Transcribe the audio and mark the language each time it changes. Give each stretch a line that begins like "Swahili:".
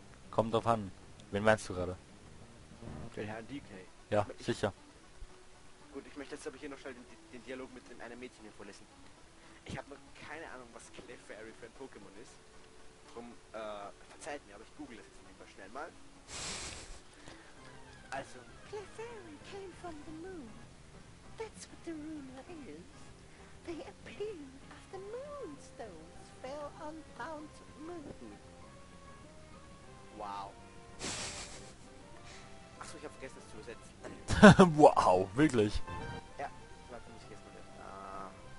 German: Kommt drauf an. Wen meinst du gerade? Den Herrn DK. Ja, sicher. Gut, ich möchte jetzt aber hier noch schnell den Dialog mit einem Mädchen hier vorlesen. Ich habe noch keine Ahnung, was Clefairy für ein Pokémon ist. Drum, verzeiht mir, aber ich google das jetzt mal schnell mal.
English: Also, Clefairy came from the moon. That's what the rumor is. They appeared after moonstones fell on Mount Moon. Wow.
German: Achso, ich hab vergessen, das zu übersetzen. Wow, wirklich? Ja, warte, muss ich jetzt mal wieder.